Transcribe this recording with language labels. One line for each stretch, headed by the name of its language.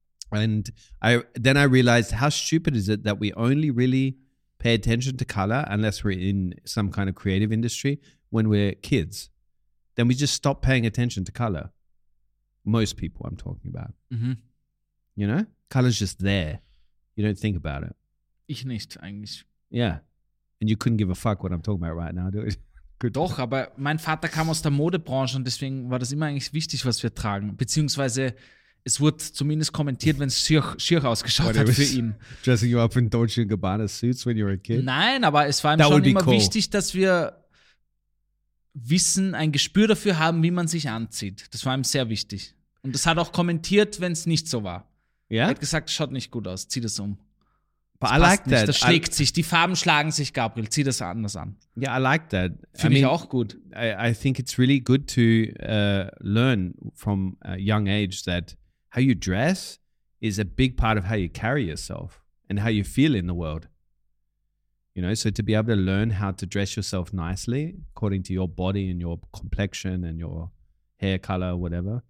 English: And I realized how stupid is it that we only really pay attention to color unless we're in some kind of creative industry when we're kids. Then we just stop paying attention to color. Most people I'm talking about. Mm-hmm. You know? Color's just there. You don't think about it.
German: Ich nicht, eigentlich.
English: Yeah. And you couldn't give a fuck what I'm talking about right now, do you? Good.
German: Doch, aber mein Vater kam aus der Modebranche und deswegen war das immer eigentlich wichtig, was wir tragen. Beziehungsweise es wurde zumindest kommentiert, wenn es schier ausgeschaut hat für ihn.
English: Dressing you up in Dolce & Gabbana suits when you were a kid?
German: Nein, aber es war ihm schon immer cool. Wichtig, dass wir Wissen, ein Gespür dafür haben, wie man sich anzieht. Das war ihm sehr wichtig. Und das hat auch kommentiert, wenn es nicht so war.
English: Yeah?
German: Er hat gesagt, schaut nicht gut aus, zieh das um.
English: But
German: das
English: I like
German: nicht.
English: That.
German: Das schlägt sich, die Farben schlagen sich, Gabriel, zieh das anders an.
English: Yeah, I like that.
German: Finde ich auch gut.
English: I think it's really good to learn from a young age that how you dress is a big part of how you carry yourself and how you feel in the world. You know, so to be able to learn how to dress yourself nicely according to your body and your complexion and your hair color, whatever.